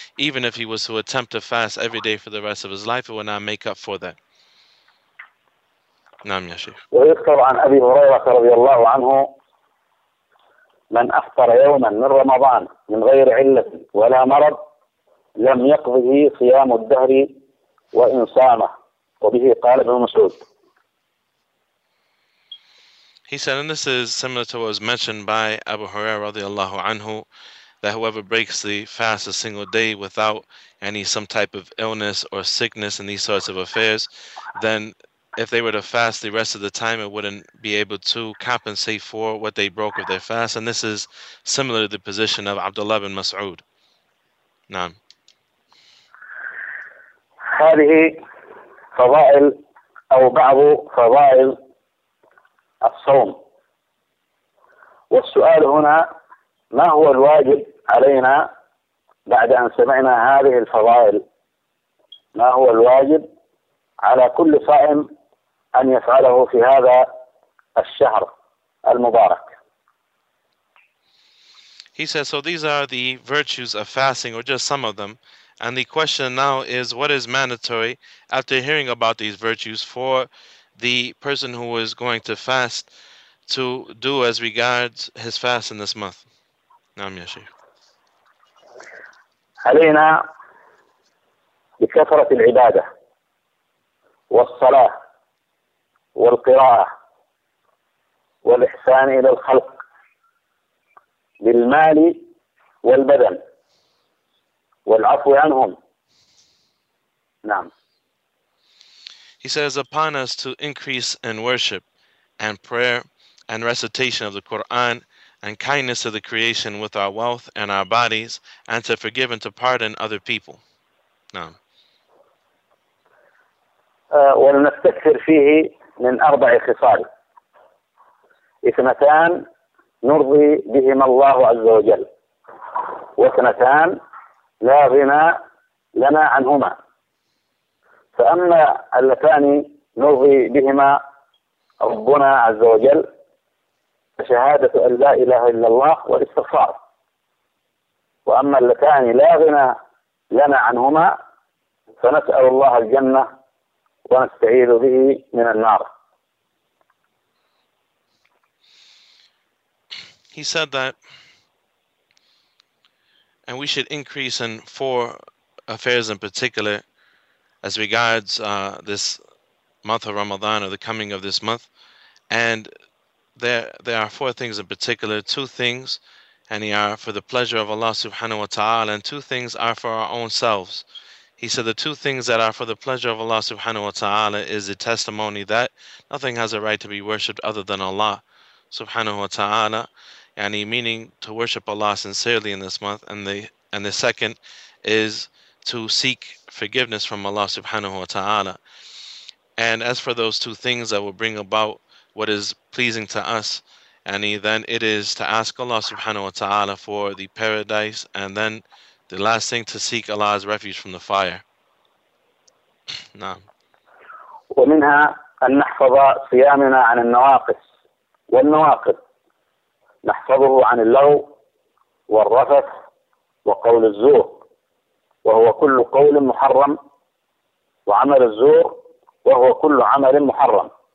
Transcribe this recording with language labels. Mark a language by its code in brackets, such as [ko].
[en] Even if he was to attempt to fast every day for the rest of his life, it would not make up for that. [ar] نعم يا شيخ. ويذكر عن أبي هريرة رضي الله عنه: من أفطر يوما من رمضان من غير علة ولا مرض لم يقضه صيام الدهر وإن صامه. وبه قال ابن مسعود. [en] He said, and this is similar to what was mentioned by Abu Hurairah [ar] رضي الله عنه, [en] that whoever breaks the fast a single day without any some type of illness or sickness and these sorts of affairs, then if they were to fast the rest of the time, it wouldn't be able to compensate for what they broke of their fast. And this is similar to the position of Abdullah bin Mas'ud. [ar] نعم. هذه فضائل أو بعض فضائل الصوم. والسؤال هنا: ما هو الواجب علينا بعد أن سمعنا هذه الفضائل؟ ما هو الواجب على كل صائم أن يفعله في هذا الشهر المبارك؟ [en] He says, so these are the virtues of fasting, or just some of them. And the question now is, what is mandatory after hearing about these virtues for the person who is going to fast to do as regards his fast in this month? [ar] نعم يا شيخ. علينا بكثرة العبادة والصلاة والقراءة والإحسان إلى الخلق بالمال والبدن والعفو عنهم. نعم. [en] He says upon us to increase in worship and prayer and recitation of the Quran and kindness to the creation with our wealth and our bodies, and to forgive and to pardon other people. [ar] نعم. ولنستكثر فيه من أربع خصال. اثنتان نرضي بهما الله عز وجل، واثنتان لا غنى لنا عنهما. فأما اللتان نرضي بهما ربنا عز وجل فشهادة أن لا إله إلا الله والاستغفار، وأما اللتان لا غنى لنا عنهما فنسأل الله الجنة ونستعيذ به من النار. [en] He said that, and we should increase in four affairs in particular as regards this month of Ramadan, or the coming of this month. And there are four things in particular. Two things, and they are for the pleasure of Allah subhanahu wa ta'ala, and two things are for our own selves. He said the two things that are for the pleasure of Allah subhanahu wa ta'ala is the testimony that nothing has a right to be worshipped other than Allah subhanahu wa ta'ala, and he meaning to worship Allah sincerely in this month. And the second is to seek forgiveness from Allah subhanahu wa ta'ala. And as for those two things that will bring about what is pleasing to us, and then it is to ask Allah subhanahu wa ta'ala for the paradise, and then the last thing to seek Allah's refuge from the fire. [ar] ومنها أن نحفظ صيامنا عن النواقص والنواقض، نحفظه عن اللغو والرفث وقول الزور، وهو كل قول محرم، وعمل الزور وهو كل عمل محرم.